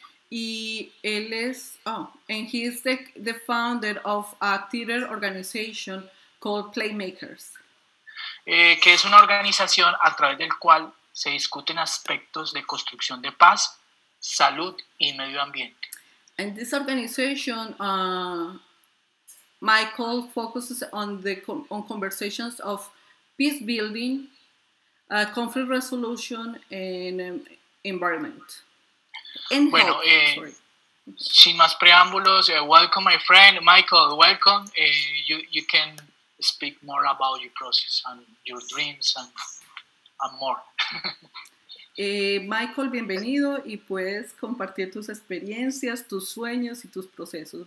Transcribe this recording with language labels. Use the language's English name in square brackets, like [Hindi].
[Spanish] Y él es, [English] and he's the founder of a theater organization called Playmakers. [Spanish] Que es una organización a través del cual se discuten aspectos de construcción de paz, salud y medio ambiente. [English] And this organization, Michael, focuses on conversations of peace building, conflict resolution, and environment. and [Spanish] bueno, [English] hope. [Spanish] Sin más preámbulos, [English] welcome my friend Michael, welcome. You can speak more about your process and your dreams and more. [Spanish] Michael, bienvenido y puedes compartir tus experiencias, tus sueños y tus procesos.